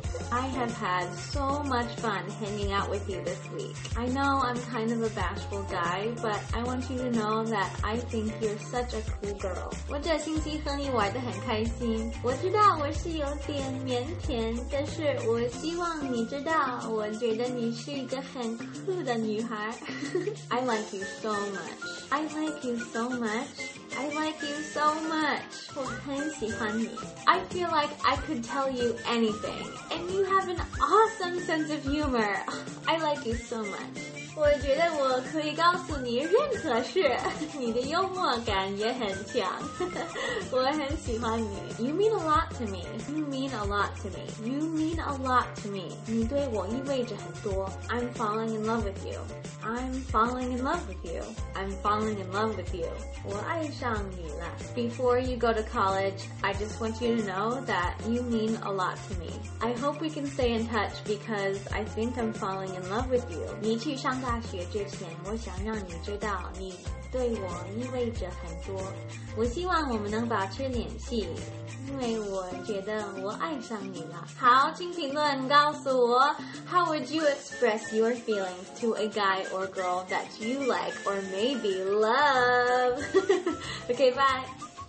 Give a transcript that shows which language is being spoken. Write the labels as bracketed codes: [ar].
[en] I have had so much fun hanging out with you this week. I know I'm kind of a bashful guy, but I want you to know that I think you're such a cool girl. [zh] 我这星期和你玩得很开心。我知道我是有点腼腆，但是我希望你知道，我觉得你是一个很酷的女孩。 [en] I like you so much. I like you so much. I like you so much. [zh] 我很喜欢你。 [en] I feel like I could tell you anything. And you have an awesome sense of humor. I like you so much. [zh] 我觉得我可以告诉你任何事。你的幽默感也很强。我很喜欢你。 [en] You mean a lot to me. You mean a lot to me. You mean a lot to me. [zh] 你对我意味着很多。 [en] I'm falling in love with you. I'm falling in love with you. I'm falling in love with you. [zh] 我爱上你了。 [en] Before you go to college, I just want you to know that you mean a lot to me. I hope we can stay in touch because I think I'm falling in love with you. [zh] 你去上大学之前，我想让你知道你对我意味着很多。我希望我们能保持联系，因为我觉得我爱上你了。好，请评论告诉我 [en] How would you express your feelings to a guy or girl that you like or maybe love? Okay, bye.